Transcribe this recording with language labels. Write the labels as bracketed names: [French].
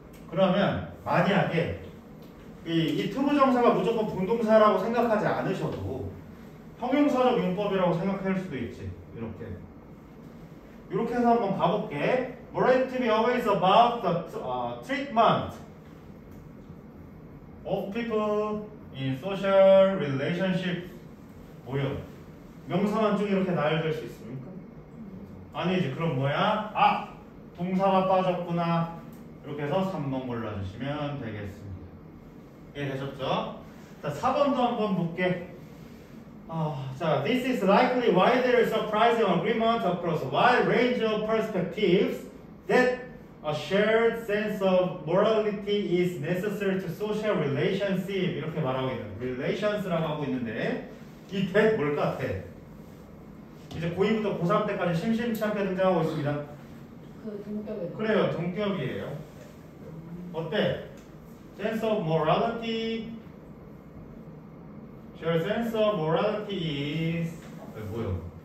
[Korean] 그러면 만약에 이 투부 정사가 무조건 분동사라고 생각하지 않으셔도 형용사적 용법이라고 생각할 수도 있지. 이렇게. 이렇게 해서 한번 가 볼게. [English] morality is always about the treatment of people in social relationship. [Korean] 뭐요? 명사만 쭉 이렇게 나열될 수 있습니까? 아니지. 그럼 뭐야? 아! 동사가 빠졌구나. 이렇게 해서 3번 골라주시면 되겠습니다. 이해되셨죠? 자, 4번도 한번 볼게. [English] 자, This is likely why there is surprising agreement across a wide range of perspectives that A shared sense of morality is necessary to social relationship. [Korean] 이렇게 말하고 있는 relations라고 하고 있는데 이 that 뭘 같아? 이제 고2부터 고3 때까지 심심치 않게 등장하고 있습니다. 그 동격이에요. 그래요, 동격이에요. 어때? [English] Sense of morality, shared sense of morality is [Korean] 뭐요?